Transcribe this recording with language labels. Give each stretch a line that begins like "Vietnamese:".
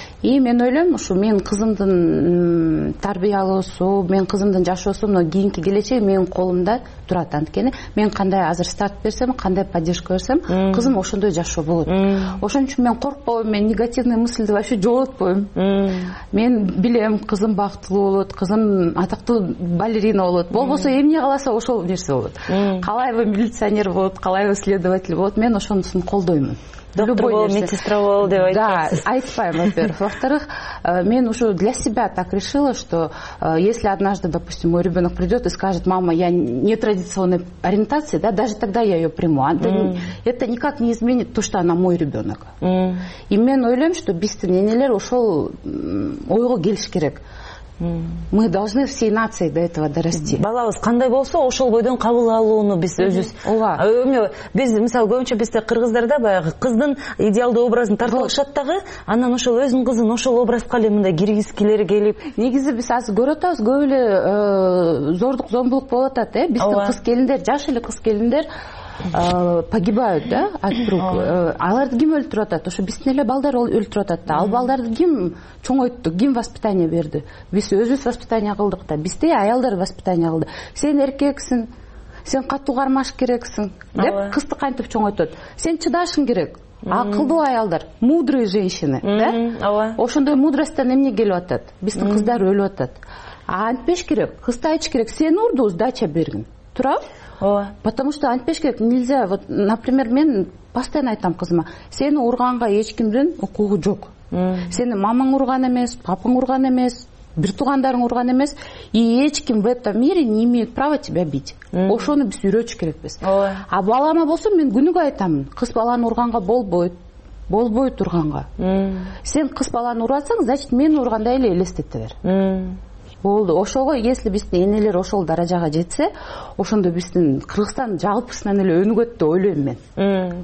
Kyrgyz: И мен ойлойм, ушу мен кызымдын тарбиялоосу, мен кызымдын жашоосу, мына кийинки келечеги менин колумда турат. Анткени мен кандай азыр старт берсем, кандай поддержка берсем, кызым ошондой жашоо болот. Ошон үчүн мен коркпойм, мен негативный мыслды
Russian: вообще
Kyrgyz: жоготпойм. Мен билем, кызым бактылуу болот, кызым атактуу балерина болот, болбосо эмне кааласа ошол нерсе болот. Калайбы милиционер болот, калайбы следователь болот, мен ошонусун колдоймун. Доктор болуп, медсестра болуп деп айтасыз? Да, айтпайм,
Russian: во-первых. Во-вторых,
Kyrgyz: мен ушу
Russian: для себя так решила, что если однажды, допустим, мой ребенок придет и скажет, мама, я не традиционной ориентации, да, даже тогда я ее приму. Это никак не изменит то, что она мой ребенок.
Kyrgyz: И мен ойлойм,
Russian: что
Kyrgyz: биздин энелер ушул ойго келиш керек.
Russian: Мы должны всей нацией до этого дорасти.
Kyrgyz: Балабыз кандай болсо ошол бойдон кабыл алууну биз өзүбүз. Ооба. Эмне биз мисалы көбүнчө бизде кыргыздарда баягы кыздын идеалдуу образын тартылышат дагы, анан ошол өзүн кызын ошол образга эле мындай киргизгилери келип. Негизи биз азыр көрүп атабыз, көп эле зордук зомбулук болуп атат, э? Биздин кыз келиндер, жаш эле кыз келиндер
Russian: погибают,
Kyrgyz: да,
Russian: от рук.
Kyrgyz: Аларды ким өлтүрүп атат? Ошо биздин эле балдар өлтүрүп атат да. Ал балдарды ким чоңойтту, ким воспитание берди? Биз өзүбүз воспитание кылдык да, бизде аялдар воспитание кылды. Сен эркексиң, сен катуу кармаш керексиң деп кызды кантип чоңойтот? Сен чыдашың керек. Акылдуу аялдар,
Russian: мудрые женщины,
Kyrgyz: да? Ооба. Ошондой мудростьтан эмне келип атат? Биздин кыздар өлүп атат. Антпеш керек, кызды айтыш керек, сен урду, сдача бергин. Турабы? Ооба.
Russian: Потому что
Kyrgyz: антпеш керек,
Russian: нельзя. Вот, например,
Kyrgyz: мен
Russian: постоянно
Kyrgyz: айтам кызыма, сени урганга эч кимдин укугу жок. Сени мамаң урган эмес, папаң урган эмес, бир туугандарың урган эмес, и эч ким
Russian: в этом мире не имеет права тебя бить.
Kyrgyz: Ошону биз үйрөтүш керекпиз. Ооба. А балама болсо мен күнүгө айтам, кыз баланы урганга болбойт, болбойт урганга. Сен кыз баланы урбасаң,
Russian: значит
Kyrgyz: мени ургандай эле элестете бер. Болду. Ошого
Russian: если
Kyrgyz: биздин энелер ошол даражага жетсе, ошондо биздин Кыргызстан жалпысынан эле өнүгөт деп ойлойм мен.